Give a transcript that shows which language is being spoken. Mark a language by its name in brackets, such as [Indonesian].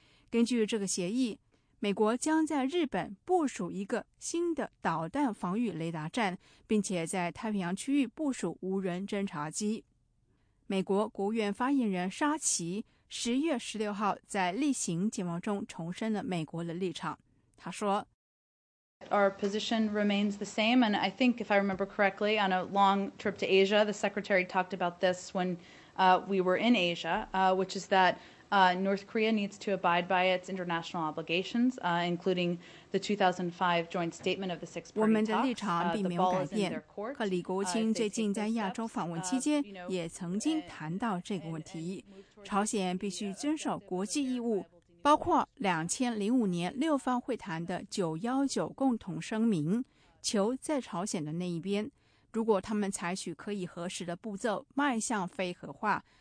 [Chinese] 根据这个协议，美国将在日本部署一个新的导弹防御雷达站，并且在太平洋区域部署无人侦察机。美国国务院发言人沙奇10月16号在例行简报中重申了美国的立场。他说， [English] Our position remains the same, and I think if I remember correctly, on a long trip to Asia, the Secretary talked about this when we were in Asia, which is that North Korea needs to abide by its international obligations, including the 2005 joint statement of the six-party talks. [Chinese] 我们的立场并没有改变。克里国务卿最近在亚洲访问期间也曾经谈到这个问题。朝鲜必须遵守国际义务，包括2005年六方会谈的919共同声明，球在朝鲜的那一边。如果他们采取可以核实的步骤迈向非核化，